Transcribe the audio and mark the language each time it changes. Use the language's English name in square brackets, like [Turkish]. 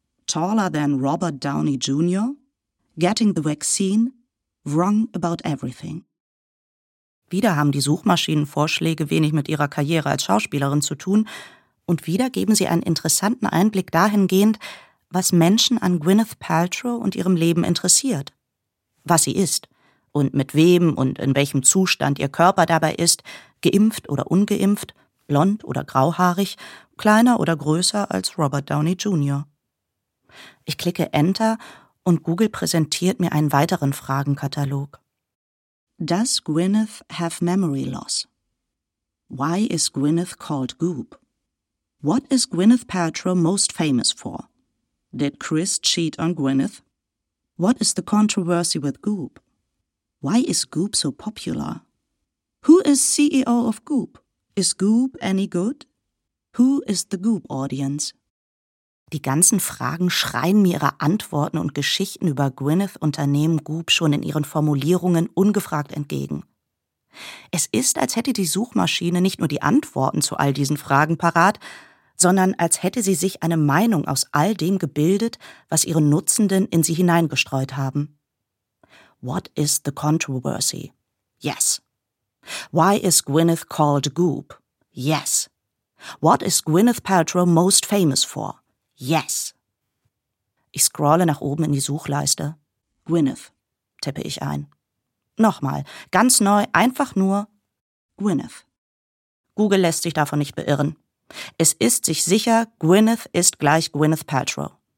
[English] Taller than Robert Downey Jr.? Getting the vaccine? Wrong about everything? [German] Wieder haben die Suchmaschinenvorschläge wenig mit ihrer Karriere als Schauspielerin zu tun und wieder geben sie einen interessanten Einblick dahingehend, was Menschen an Gwyneth Paltrow und ihrem Leben interessiert. Was sie ist und mit wem und in welchem Zustand ihr Körper dabei ist, geimpft oder ungeimpft, blond oder grauhaarig, kleiner oder größer als Robert Downey Jr. Ich klicke Enter und Google präsentiert mir einen weiteren Fragenkatalog. [English] Does Gwyneth have memory loss? Why is Gwyneth called Goop? What is Gwyneth Paltrow most famous for? Did Chris cheat on Gwyneth? What is the controversy with Goop? Why is Goop so popular? Who is CEO of Goop? Is Goop any good? Who is the Goop audience? [German] Die ganzen Fragen schreien mir ihre Antworten und Geschichten über Gwyneth-Unternehmen Goop schon in ihren Formulierungen ungefragt entgegen. Es ist, als hätte die Suchmaschine nicht nur die Antworten zu all diesen Fragen parat, sondern als hätte sie sich eine Meinung aus all dem gebildet, was ihre Nutzenden in sie hineingestreut haben. [English] What is the controversy? Yes. Why is Gwyneth called Goop? Yes. What is Gwyneth Paltrow most famous for? Yes. [German] Ich scrolle nach oben in die Suchleiste. Gwyneth, tippe ich ein. Nochmal, ganz neu, einfach nur Gwyneth. Google lässt sich davon nicht beirren. Es ist sich sicher, Gwyneth ist gleich Gwyneth Paltrow.